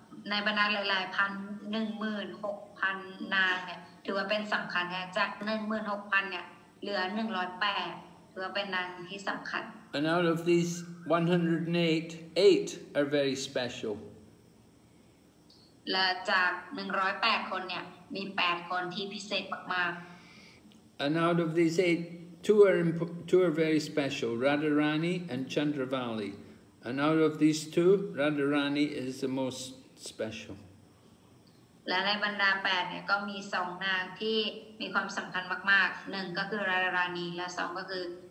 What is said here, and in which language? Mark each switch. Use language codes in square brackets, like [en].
[th] ในบรรดาหลายๆพัน 16,000 นางเนี่ยถือว่าเป็นสำคัญแท้จาก 16,000 เนี่ยเหลือ108ถือว่าเป็นนางที่สำคัญ [en] And out of these 108 8 are very special [th] และจาก108คนเนี่ยมี8คนที่พิเศษมาก [en] ๆ And out of these 8 two are very special Radharani and Chandravali and out of these two Radharani is the most special [th] และในบรรดา8เนี่ยก็มี2นางที่มีความสำคัญมากๆ1ก็คือ Radharani และ2ก็คือ